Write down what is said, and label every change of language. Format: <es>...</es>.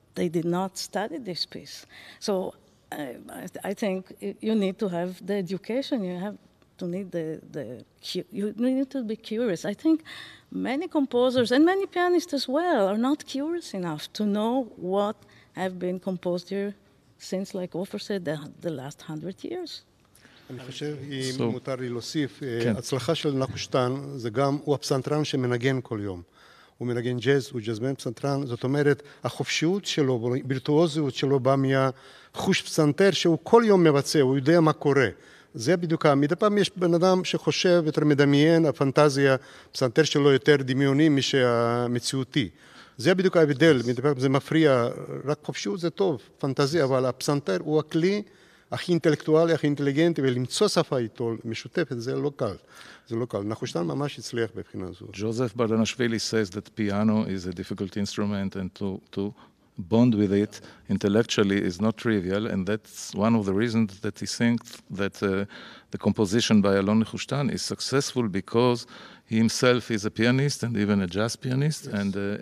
<en>They did not study this piece. So I think you need to have the education. You have to need you need to be curious. I think many composers and many pianists as well are not curious enough to know what have been composed here since, like Ofer said, the last 100 years.</en> <he>אני חושב, אם מותר לי להוסיף, הצלחה של נחושתן זה גם, הוא הפסנתרן שמנגן כל יום. הוא מנגן ג'אז, הוא ג'אזמן פסנתרן, זאת אומרת, החופשיות שלו, בירטואוזיות שלו בא מהחוש פסנתר שהוא כל יום מבצע, הוא יודע מה קורה. זה בדיוק, מדי פעם יש בן אדם שחושב יותר מדמיין, הפנטזיה, פסנתר שלו יותר דמיוני משהמציאותי. זה בדיוק ההבדל, מדי פעם זה מפריע, רק חופשיות זה טוב, פנטזיה, אבל הפסנתר הוא הכלי הכי אינטלקטואלי, הכי אינטליגנטי, ולמצוא שפה איתו משותפת, זה לא קל. זה לא קל. נחושתן ממש הצליח בבחינה זו.</he> <en>Josef Bardanashvili says that piano is a difficult instrument and to bond with it intellectually is not trivial, and that's one of the reasons that he thinks that the composition by Alon Nechushtan is successful, because he himself is a pianist and even a jazz pianist. Yes.</en>